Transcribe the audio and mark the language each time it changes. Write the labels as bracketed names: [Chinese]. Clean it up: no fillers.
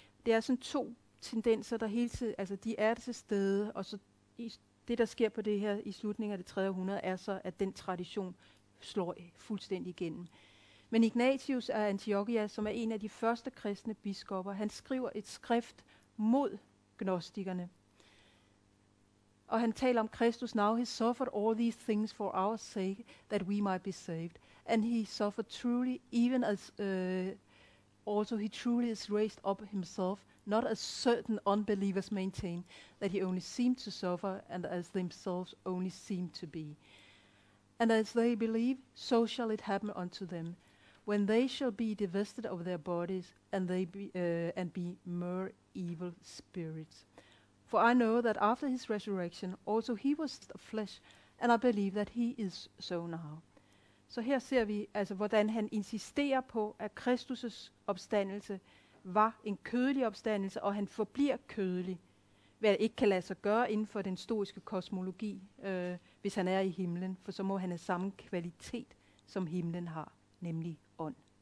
[Danish] Det er sådan to tendenser, der hele tiden, altså de er til stede, og så det, der sker på det her i slutningen af det 3. århundrede, er så, at den tradition slår fuldstændig igennem. Men Ignatius af Antiochia, som er en af de første kristne biskopper, han skriver et skrift mod gnostikerne. Og han taler om Kristus, [English] now he suffered all these things for our sake, that we might be saved. And he suffered truly, even as also he truly is raised up himself, not as certain unbelievers maintain, that he only seemed to suffer, and as themselves only seem to be. And as they believe, so shall it happen unto them, when they shall be divested of their bodies, and they be mere evil spirits. For I know that after his resurrection, also he was of flesh, and I believe that he is so now. [Danish] Så her ser vi, altså, hvordan han insisterer på, at Kristus' opstandelse var en kødelig opstandelse, og han forbliver kødelig, hvad ikke kan lade sig gøre inden for den stoiske kosmologi, hvis han er i himlen, for så må han have samme kvalitet, som himlen har, nemlig ånd.